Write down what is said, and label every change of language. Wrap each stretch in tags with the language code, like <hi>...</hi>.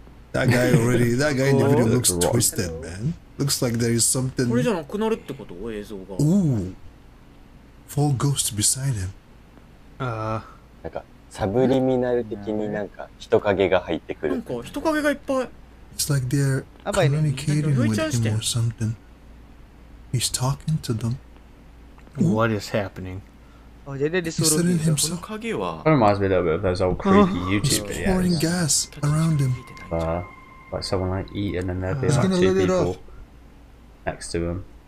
<en>That guy in the video looks twisted, man. Looks like there is something.</en> <ja>これじゃなくなるってこと？映像が。</ja> <en>Ooh. Four ghosts beside him.</en> <ja>なんかサブリミナル的になんか人影が入ってくる。なんか人影がいっぱい。</ja> <en>It's like they're communicating with him or something. He's talking to them. What is happening? He's sitting himself. That reminds me a little bit of those old creepy YouTube videos. He's pouring gas around him. Like someone like eating and there'd be like two people next to him.</en>